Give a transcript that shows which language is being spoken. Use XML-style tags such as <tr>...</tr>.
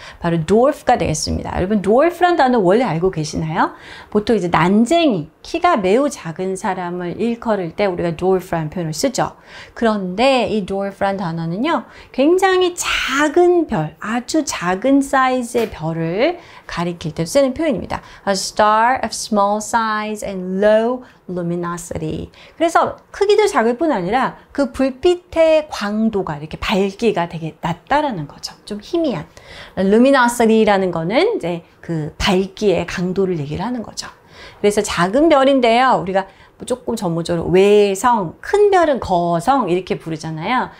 <ko>바로 dwarf가 되겠습니다. 여러분, dwarf란 단어 원래 알고 계시나요? 보통 이제 난쟁이, 키가 매우 작은 사람을 일컬을 때 우리가 dwarf란 표현을 쓰죠. 그런데 이 dwarf란 단어는요, 굉장히 작은 별, 아주 작은 사이즈의 별을 가리킬 때 쓰는 표현입니다.</ko> <en>A star of small size and low luminosity.</en> <ko>그래서 크기도 작을 뿐 아니라 그 불빛의 광도가, 이렇게 밝기가 되게 낮다라는 거죠. 좀 희미한. luminosity라는 거는 이제 그 밝기의 강도를 얘기를 하는 거죠. 그래서 작은 별인데요, 우리가 조금 전문적으로 외성, 큰 별은 거성 이렇게 부르잖아요.</ko>